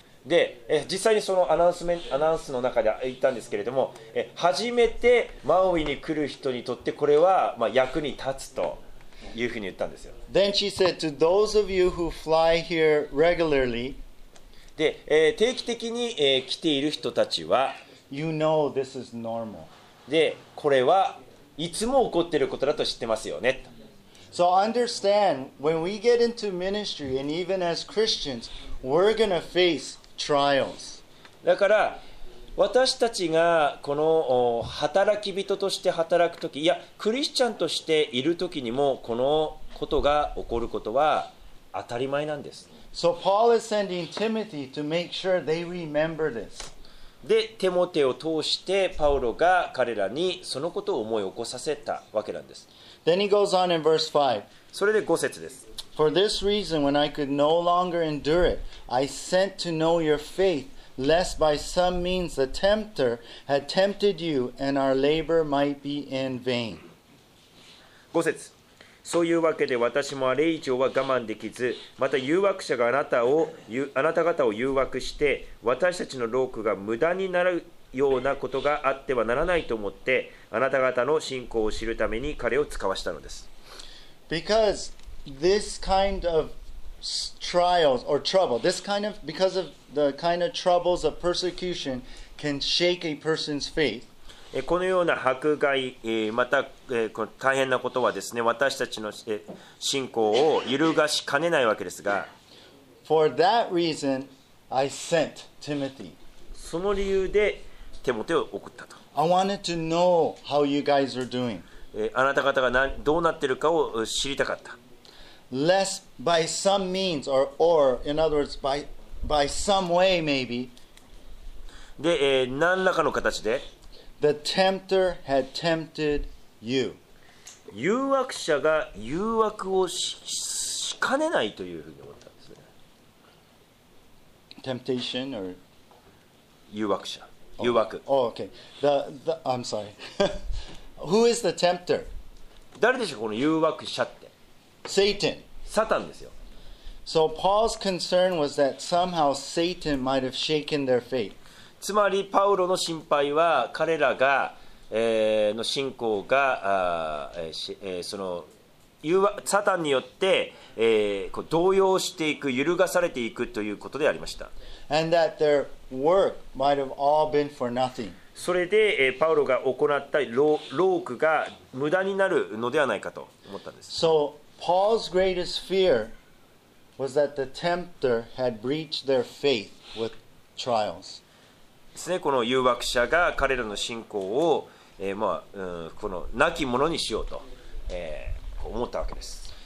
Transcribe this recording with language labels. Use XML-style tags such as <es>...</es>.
<ja>で実際にそのアナウンスの中で言ったんですけれども、初めてマウイに来る人にとってこれはまあ役に立つと。いうふうに言ったんですよ。</ja> <en>Then she said to those of you who fly here regularly,</en> <ja>で、定期的に、来ている人たちは、</ja> <en>you know this is normal.</en> <ja>で、これはいつも起こっていることだと知ってますよね。</ja> <en>So understand, when we get into ministry and even as Christians, we're gonna face trials.</en> <ja>だから私たちがこの働き人として働くとき、いや、クリスチャンとしているときにも、このことが起こることは当たり前なんです。</ja> <en>So Paul is sending Timothy to make sure they remember this.</en> <ja>で、テモテを通して、パウロが彼らにそのことを思い起こさせたわけなんです。</ja> <en>Then he goes on in verse 5.</en> <ja>それで5節です。</ja> <en>For this reason, when I could no longer endure it, I sent to know your faith. Lest by some means the tempter had tempted you and our labor might be in vain.</en> <ja>5節。そういうわけで私もあれ以上は我慢できず、また誘惑者があなたを、あなた方を誘惑して、私たちの労苦が無駄になるようなことがあってはならないと思って、あなた方の信仰を知るために彼を使わしたのです。</ja> <en>Because this kind of trials or trouble, this kind of, because of the kind of troubles of persecution can shake a person's faith.</en> <ja>このような迫害、また、大変なことはですね、私たちの信仰を揺るがしかねないわけですが。</ja> <en>For that reason, I sent Timothy.</en> <ja>その理由で、テモテを送ったと。</ja> <en>I wanted to know how you guys are doing.</en> <ja>あなた方がどうなっているかを知りたかった。</ja> <en>Lest by some means or in other words by some way maybe</en> <ja>で、何らかの形で</ja> <en>the tempter had tempted you</en> <ja>誘惑者が誘惑をしかねないというふうに思ったんですね。</ja> <en>temptation or</en> <ja>誘惑者、誘惑。</ja> <en>Okay. The I'm sorry. Who is the tempter?</en> <ja>誰でしょうこの誘惑者って。</ja> <en>Satan.</en> <ja>サタンですよ。</ja> <en>So Paul's concern was that somehow Satan might have shaken their faith.</en> <ja>つまりパウロの心配は彼らが、の信仰が、その誘惑サタンによって、こう動揺していく揺るがされていくということでありました。</ja> <en>And that their work might have all been for nothing.</en> <ja>それで、パウロが行った労苦が無駄になるのではないかと思ったんです。</ja> <en>So,Paul's greatest fear was that the tempter had breached their faith with trials.</en> <ja>ですね、この誘惑者が彼らの信仰を、まあ、この亡き者にしようと、思ったわけです。</ja>